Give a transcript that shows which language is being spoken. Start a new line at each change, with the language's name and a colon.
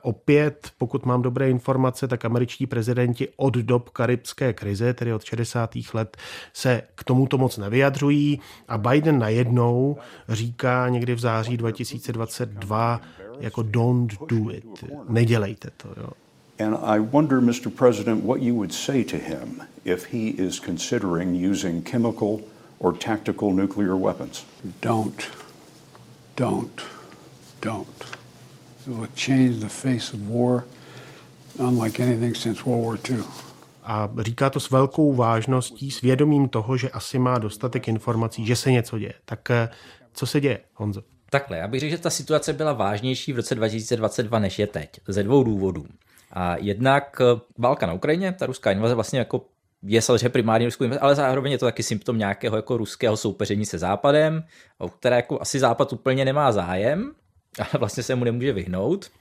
Czech: Opět, pokud mám dobré informace, tak američtí prezidenti od dob karibské krize, tedy od 60. let, se k tomuto moc nevyjadřují a Biden najednou říká někdy v září 2022 jako
English: don't do it,
Czech: nedělejte to.
English: Jo. And I wonder, Mr. President, what you would say to him if he is considering using chemical or tactical nuclear weapons. Don't. It will change the face of war. Unlike anything since World War II.
Czech: A říká to s velkou vážností, s vědomím toho, že asi má dostatek informací, že se něco děje. Tak co se děje, Honzo? Takhle, já bych řekl, že ta situace byla vážnější v roce 2022 než je teď, ze dvou důvodů. A jednak válka na Ukrajině, ta ruská invaze vlastně jako je samozřejmě primární ruskou invaze, ale zároveň je to taky symptom nějakého jako ruského soupeření se Západem, o které jako asi Západ úplně nemá zájem, ale vlastně se mu nemůže vyhnout.